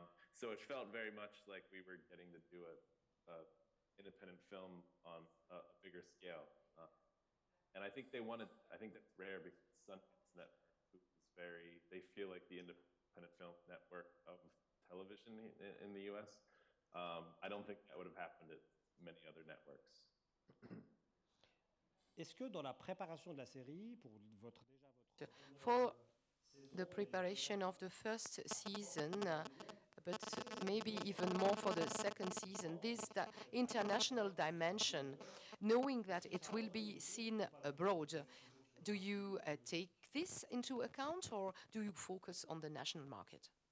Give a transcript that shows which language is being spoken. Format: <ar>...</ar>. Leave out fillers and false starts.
<en>So it felt very much like we were getting to do a independent film on a bigger scale. And I think that's rare because Sundance Network is very, they feel like the independent film network of television in the US. I don't think that would have happened at many other networks.</en> <fr>Est-ce que dans la préparation de la série, pour votre déjà votre...</fr> <en>For the preparation of the first season, but maybe even more for the second season, this international dimension, knowing that it will be seen abroad, do you take this into account or do you focus on the national market?</en>